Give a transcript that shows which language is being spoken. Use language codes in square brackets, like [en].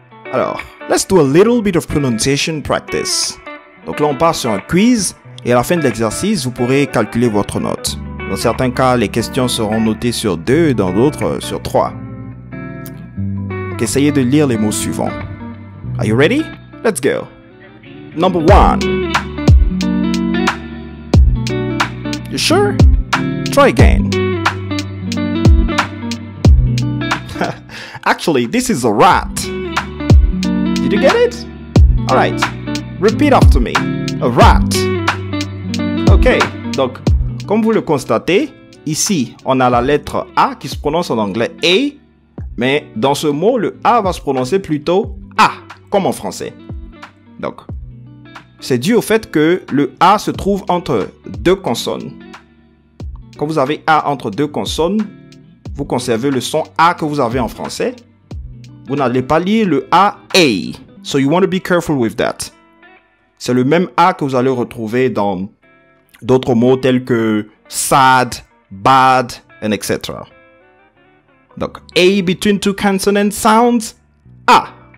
[en] Alors, let's do a little bit of pronunciation practice. [fr] Donc là, on part sur un quiz et à la fin de l'exercice, vous pourrez calculer votre note. Dans certains cas, les questions seront notées sur 2, dans d'autres, sur 3. Donc, essayez de lire les mots suivants. [en] Are you ready? Let's go. Number 1. You sure? Try again. Actually, this is a rat. Did you get it? All right. Repeat after me. A rat. OK. [fr] Donc, comme vous le constatez, ici, on a la lettre A qui se prononce en anglais A, mais dans ce mot, le A va se prononcer plutôt A, comme en français. Donc, c'est dû au fait que le A se trouve entre deux consonnes. Quand vous avez A entre deux consonnes, vous conservez le son A que vous avez en français. Vous n'allez pas lire le A, A. [en] So you want to be careful with that. [fr] C'est le même A que vous allez retrouver dans d'autres mots tels que [en] sad, bad, and etc. Donc, A between two consonant sounds, A.